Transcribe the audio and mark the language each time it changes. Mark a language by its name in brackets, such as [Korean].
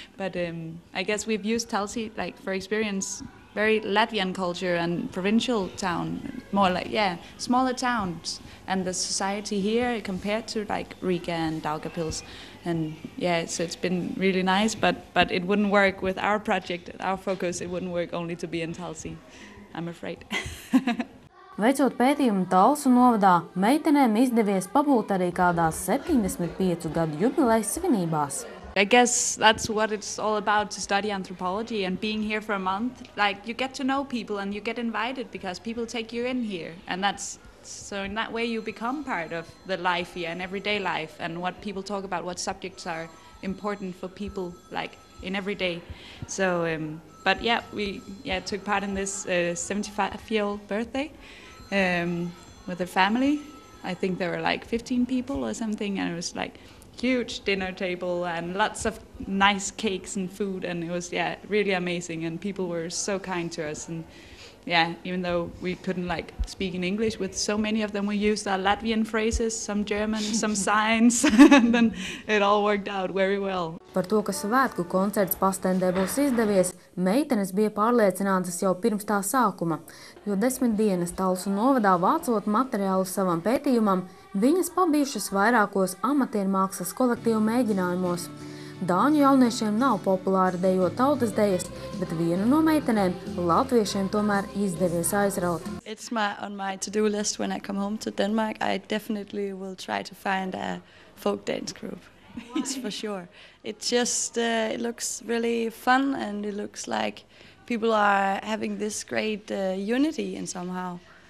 [English] But I guess we've used Talsi, like, for experience, very Latvian culture and provincial town, more like, yeah, smaller towns. And the society here compared to, like, Riga and Daugavpils. And yeah, so it's been really nice, but it wouldn't work with our project, our focus, it wouldn't work only to be in Talsi, I'm afraid. [Latvian] Veicot pētījumu Talsu novadā, meitenēm izdevies pabūt arī kādās 75 gadu jubilejas svinībās. [English] I guess that's what it's all about, to study anthropology and being here for a month. Like, you get to know people and you get invited because people take you in here, and that's... So in that way you become part of the life here and everyday life and what people talk about, what subjects are important for people like in everyday. So, but yeah, we took part in this 75-year-old birthday with a family. I think there were like 15 people or something, and it was like huge dinner table and lots of nice cakes and food, and it was, yeah, really amazing, and people were so kind to us. And yeah, even though we couldn't like speak in English with so many of them, we used our Latvian phrases, some German, some signs, and then it all worked out very well. [Latvian] Par to, ka svētku koncerts Pastendē būs izdevies, meitenes bija pārliecinātas jau pirms tā sākuma, jo 10 dienas Talsu novadā vācot materiālu savam pētījumam, viņas pabijušas vairākos amatiermākslas kolektīvu mēģinājumos. Dāņu jauniešiem nav populāri dejot tautas dejas, bet vienu no meitenēm latviešiem tomēr izdevies aizraut. [English] It's on my to-do list when I come home to Denmark. I definitely will try to find a folk dance group. It's for sure. It just it looks really fun, and it looks like people are having this great unity in somehow.